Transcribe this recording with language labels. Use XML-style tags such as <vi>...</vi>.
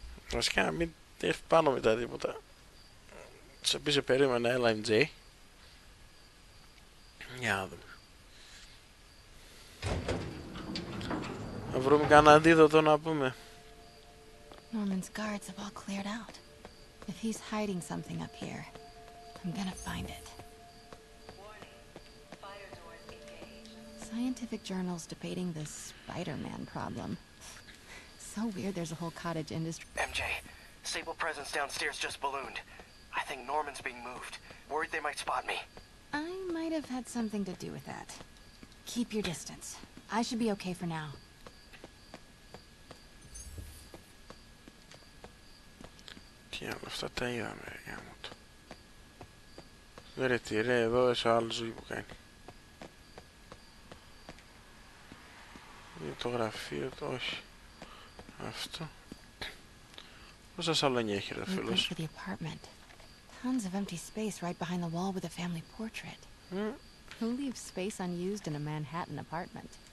<el>Βασικά, μην τρέφει πάνω με τα τίποτα. Σε πίσω περίμενα, έλα, MJ. Για να δούμε. Να βρούμε κανένα αντίδοτο να πούμε.</el> <en>Norman's guards have all cleared out. If he's hiding something up here, I'm gonna find it. Scientific journals debating the Spider-Man problem. So weird there's a whole cottage industry. MJ, Sable presence downstairs just ballooned. I think Norman's being moved. Worried they might spot me. I might have had something to do with that. Keep your distance. I should be okay for now.</en> <el>Τι άλλο, αυτά τα είδαμε, για μου το. Ρε τι ρε, εδώ είσαι άλλο ζωή που κάνει. Για το γραφείο, το όχι. Αυτό. Πόσα σαλόνια έχει ρε φίλος.</el> <en>Tons of empty space right behind the wall with a family portrait. Who leaves space unused in a Manhattan apartment?</en>